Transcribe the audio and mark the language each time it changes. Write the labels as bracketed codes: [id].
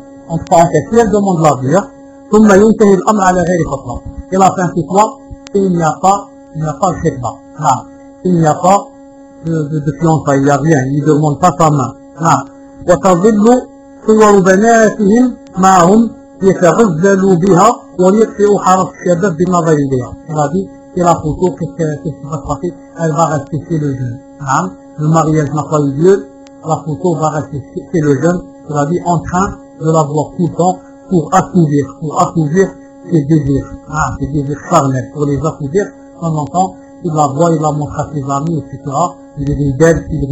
[fr] En parenthèse, si elle demande l'avis, [ar] ثم ينتهي الأمر على غير خطوة. [fr] Et la fin, c'est quoi? Il n'y a pas de khitba. Non. Il n'y a pas de fiança, il n'y a rien. Il ne demande pas sa main. Non. [ar] وتظل صور بناتهم معهم يتغزلوا بها ويطفئوا حرس الشباب بنظر إليها. [fr] Et la photo, qu'est-ce qui va se passer? Elle va rester chez le jeune. Hein? Le mariage n'a pas eu lieu. La photo va rester chez le jeune. C'est-à-dire en train de la voir tout le temps pour accouvrir ses désirs. Hein? Ses désirs charnels. Pour les accouvrir, on entend, il la voit, il la montre à ses amis, etc. Il rit d'elle.